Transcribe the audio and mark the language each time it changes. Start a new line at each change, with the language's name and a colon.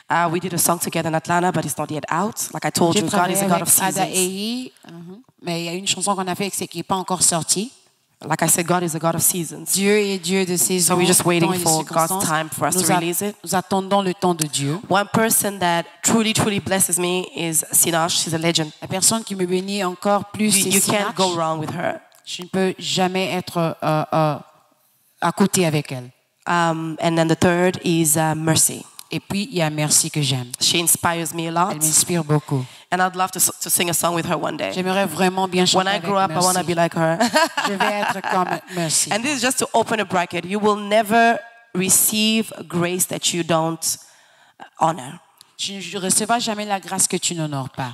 English: We did a song together in Atlanta, but it's not yet out. Like I told you, God is a God of seasons.
French: Ada Ehe, mais il y a une chanson qu'on a fait qui n'est pas encore sortie.
English: Like I said, God is a God of seasons.
French: Dieu est Dieu de saisons.
English: So we're just waiting for God's time for us to release it.
French: Nous attendons le temps de Dieu.
English: One person that truly, truly blesses me is Sinach. She's a legend.
French: La personne qui me bénit encore plus,
English: you can't go wrong with her.
French: Je ne peux jamais être à côté avec elle.
English: And then the third is mercy.
French: Et puis il y a merci que j'aime.
English: She inspires me a lot.
French: Elle m'inspire beaucoup.
English: And I'd love to sing a song with her one day.
French: J'aimerais vraiment bien chanter avec Mercy.
English: When I grow up, I want to be like her.
French: Je vais être comme Mercy.
English: And this is just to open a bracket. You will never receive grace that you don't honor.
French: Tu ne recevras jamais la grâce que tu n'honores pas.